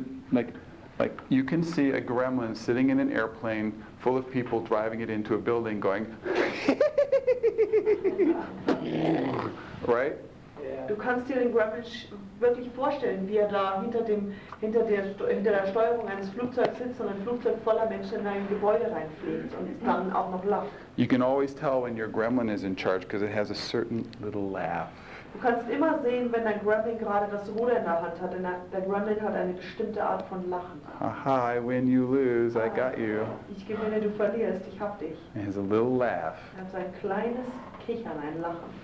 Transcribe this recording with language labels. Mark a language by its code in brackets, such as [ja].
[en] Like you can see a gremlin sitting in an airplane full of people driving it into a building going right? [de] Du kannst dir den Gremlin wirklich vorstellen, wie da hinter der Steuerung eines Flugzeugs sitzt und ein Flugzeug voller Menschen in ein Gebäude reinfliegt und dann auch noch lacht. [en] You can always tell when your gremlin is in charge because it has a certain little laugh. [de] Du kannst immer sehen, wenn dein Gremlin gerade das Ruder in der Hand hat, denn der Gremlin hat eine bestimmte Art von Lachen. [en] Aha, I win, you lose, I got you. [de] Ich gewinne, du verlierst, ich hab dich. [en] He has a little laugh. [de] Er hat so ein kleines Kichern, ein Lachen.